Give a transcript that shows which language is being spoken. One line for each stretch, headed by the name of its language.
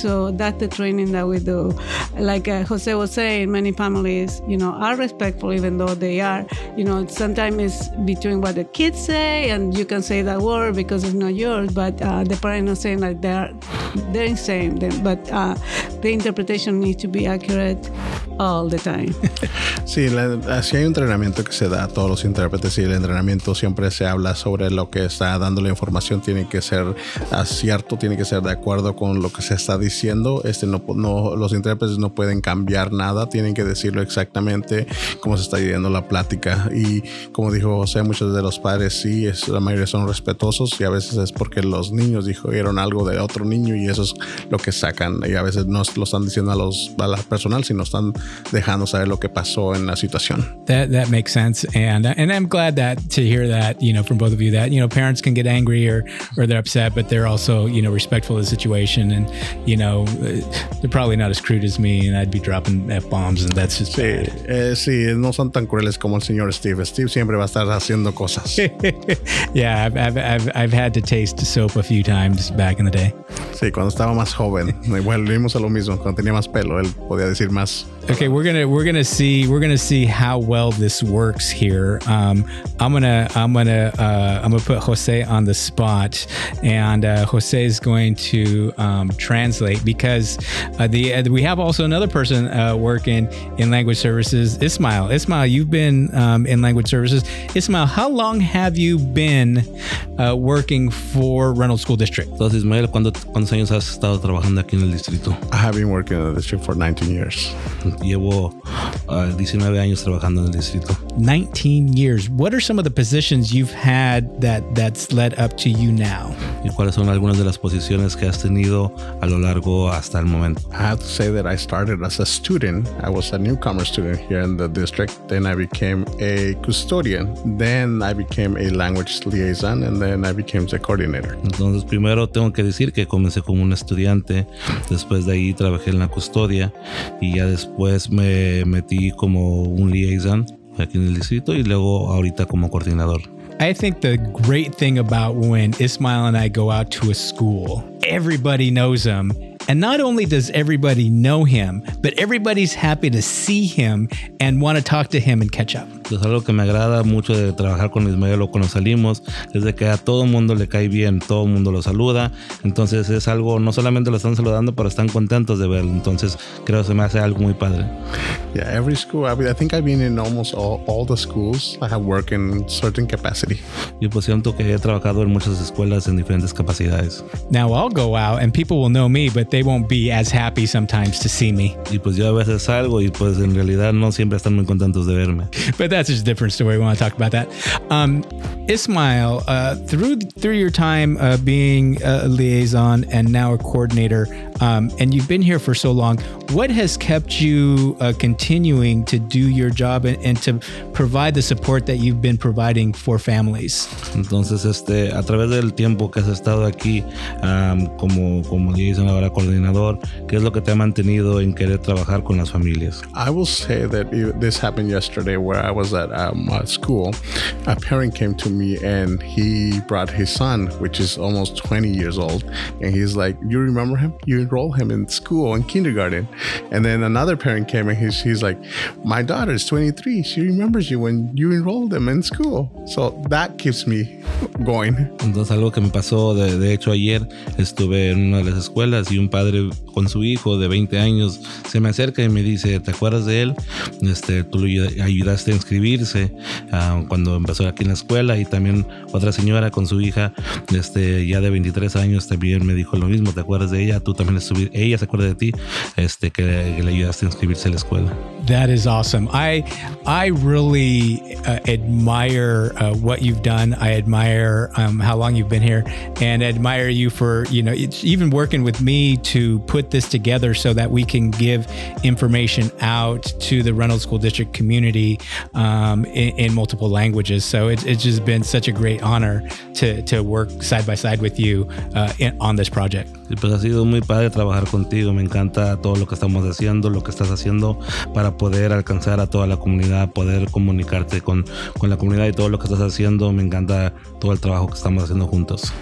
English: So that's the training that we do. Like Jose was saying, many families, you know, are respectful, even though they are, you know, sometimes it's between what the kids say, and you can say that word because it's not yours, but the parents are saying that they're insane. But the interpretation needs to be accurate all the time.
Spanish: Sí, así hay un entrenamiento que se da a todos los intérpretes, y el entrenamiento siempre se habla sobre lo que está dando la información. Tiene que ser cierto, tiene que ser de acuerdo con lo que se está diciendo. Los intérpretes no pueden cambiar nada, tienen que decirlo exactamente como se está yendo la plática. Y como dijo José, muchos de los padres sí, la mayoría son respetuosos, y a veces es porque los niños dijeron algo de otro niño, y eso es lo que sacan. Y a veces no lo están diciendo a la personal, sino están dejando saber lo que pasó en la situación.
English: That makes sense, and I'm glad to hear that, you know, from both of you, that, you know, parents can get angry or they're upset, but they're also, you know, respectful of the situation, and, you know, they're probably not as crude as me, and I'd be dropping F-bombs, and that's just
Spanish: sí, no son tan crueles como el señor Steve. Steve siempre va a estar haciendo cosas.
English: Yeah, I've had to taste soap a few times back in the day.
Spanish: Sí, cuando estaba más joven. Igual vimos a lo mismo, cuando tenía más pelo, él podía decir más.
English: Okay, we're gonna see how well this works here. I'm gonna put Jose on the spot, and Jose is going to translate, because we have also another person working in language services, Ismail. Ismail, you've been in language services. Ismail, how long have you been working for Reynolds School District?
Spanish: Entonces, Ismael, ¿cuántos años has estado trabajando aquí en el distrito?
English: I have been working in the district for 19 years.
Spanish: Llevo 19 años trabajando en el distrito.
English: 19 years. What are some of the positions you've had that's led up to you now?
Spanish: ¿Y cuáles son algunas de las posiciones que has tenido a lo largo hasta el momento?
English: I have to say that I started as a student. I was a newcomer student here in the district. Then I became a custodian. Then I became a language liaison. And then I became the coordinator.
Spanish: Entonces, primero tengo que decir que comencé como un estudiante. Después de ahí, trabajé en la custodia. Y ya después me metí como un liaison aquí en el distrito, y luego ahorita como coordinador.
English: I think the great thing about when Ismail and I go out to a school, everybody knows him. And not only does everybody know him, but everybody's happy to see him and want to talk to him and catch up.
Spanish: Es algo que me agrada mucho de trabajar con Ismael, o cuando salimos, es de que a todo mundo le cae bien, todo mundo lo saluda. Entonces es algo, no solamente lo están saludando, pero están contentos de verlo. Entonces creo que se me hace algo muy padre.
English: Yeah, every school, I think I've been in almost all the schools. I have worked in certain capacity.
Spanish: Yo pues siento que he trabajado en muchas escuelas en diferentes capacidades.
English: Now I'll go out and people will know me, but they won't be as happy sometimes to see me.
Spanish: Y pues yo a veces salgo y pues en realidad no siempre están muy contentos de verme.
English: But that's just a different story. We want to talk about that. Ismail, through your time being a liaison and now a coordinator, and you've been here for so long, what has kept you continuing to do your job and to provide the support that you've been providing for families?
Spanish: Entonces, a través del tiempo que has estado aquí como liaison, ahora coordinador, ¿qué es lo que te ha mantenido en querer trabajar con las familias?
English: I will say that this happened yesterday where I was at school. A parent came to me and he brought his son, which is almost 20 years old, and he's like, you remember him? You enrolled him in school in kindergarten. And then another parent came and he's like, my daughter is 23. She remembers you when you enrolled them in school. So that keeps me going.
Spanish: Entonces, algo que me pasó, de hecho ayer estuve en una de las escuelas y un padre con su hijo de 20 años se me acerca y me dice, ¿te acuerdas de él? Tú lo ayudaste a inscribirse cuando empezó aquí en la escuela. Y también otra señora con su hija, ya de 23 años, también me dijo lo mismo, ¿te acuerdas de ella? Tú también estuviste, ella se acuerda de ti, que le ayudaste a inscribirse a la escuela.
English: That is awesome. I really admire what you've done. I admire how long you've been here, and admire you for, you know, it's even working with me to put put this together so that we can give information out to the Reynolds School District community in multiple languages. So it's just been such a great honor to work side by side with you on this project.
Spanish: Sí, pues ha sido muy padre trabajar contigo. Me encanta todo lo que estamos haciendo, lo que estás haciendo para poder alcanzar a toda la comunidad, poder comunicarte con la comunidad y todo lo que estás haciendo. Me encanta todo el trabajo que estamos haciendo juntos.